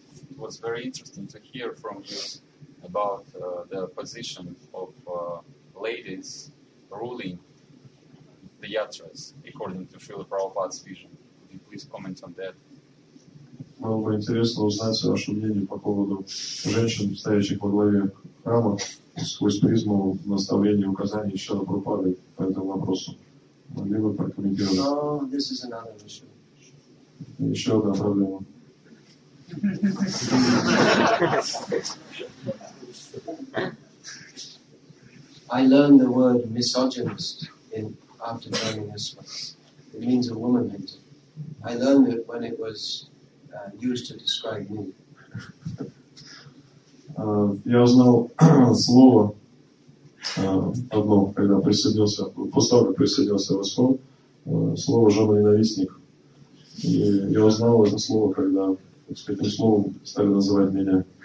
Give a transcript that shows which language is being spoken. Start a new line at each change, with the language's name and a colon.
English: It was very interesting to hear from you about the position of ladies ruling the yatras, according to Srila Prabhupada's vision. Could you please comment on that?
Russian: Было бы интересно узнать ваше мнение по поводу женщин, стоящих во главе храма, сквозь призму наставления и указаний Шрилы Прабхупады по этому вопросу. Могли бы прокомментировать?
English: Oh, this is another issue.
Russian: Еще одна проблема.
English: I learned the word misogynist in after learning this one. It means a woman hater. I learned it when it was used to describe me.
Russian: Я узнал слово одно, когда присоединился, после того, как присоединился в Искон, слово «женоненавистник». И я узнал это слово, когда, так сказать, этим словом стали называть меня.